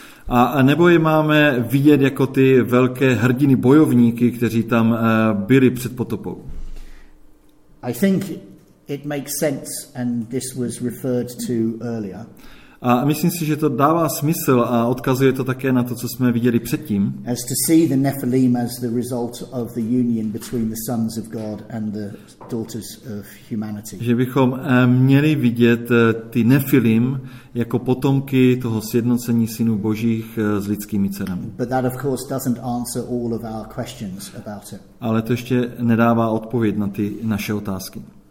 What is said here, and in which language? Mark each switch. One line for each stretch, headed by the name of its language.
Czech: A nebo je máme vidět jako ty velké hrdiny bojovníky, kteří tam byli před potopou?
English: I think it makes sense, and this was referred to earlier.
Czech: A myslím si, že to dává smysl a odkazuje to také na to, co jsme viděli předtím.
English: As to see the Nephilim as the result of the union between the sons of God and the daughters of humanity.
Czech: Že bychom měli vidět ty Nephilim jako potomky toho sjednocení synů božích s lidskými dcerami.
English: But that of course doesn't answer all of our questions about it.
Czech: Ale to ještě nedává odpověď na ty naše otázky.